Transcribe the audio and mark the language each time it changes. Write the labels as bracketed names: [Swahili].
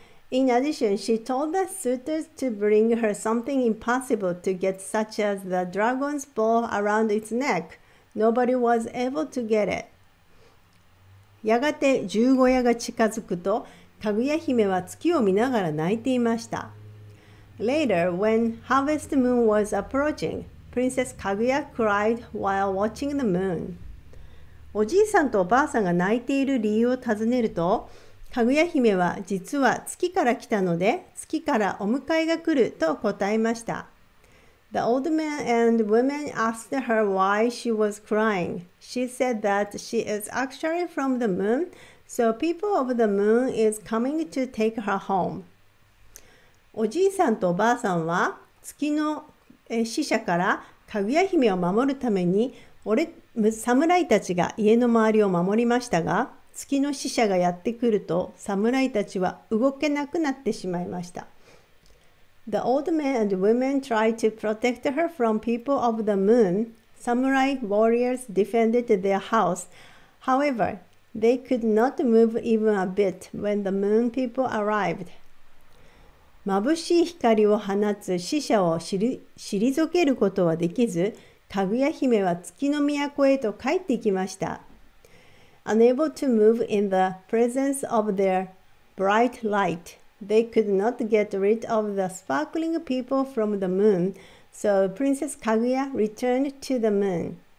[English] In addition, she told the suitors to bring her something impossible to get, such as the dragon's ball around its neck. Nobody was able to get it. [Japanese] やがて十五夜が近づくと、かぐや姫は月を見ながら泣いていました。 [English] Later, when harvest moon was approaching, Princess Kaguya cried while watching the moon. [Japanese] おじいさんとおばあさんが泣いている理由を尋ねると、かぐや姫は実は月から来たので、月からお迎えが来ると答えました。 [English] The old man and woman asked her why she was crying. She said that she is actually from the moon. So people of the moon is coming to take her home. [Japanese] おじいさんとおばあさんは月の使者からかぐや姫を守るために侍たちが家の周りを守りましたが、月の使者がやってくると侍たちは動けなくなってしまいました。 [English] The old men and women tried to protect her from people of the moon. Samurai warriors defended their house. However,They could not move even a bit when the moon people arrived. [Japanese] 眩しい光を放つ使者を退けることはできず、かぐや姫は月の都へと帰ってきました。 [English] Unable to move in the presence of their bright light, they could not get rid of the sparkling people from the moon, so Princess Kaguya returned to the moon.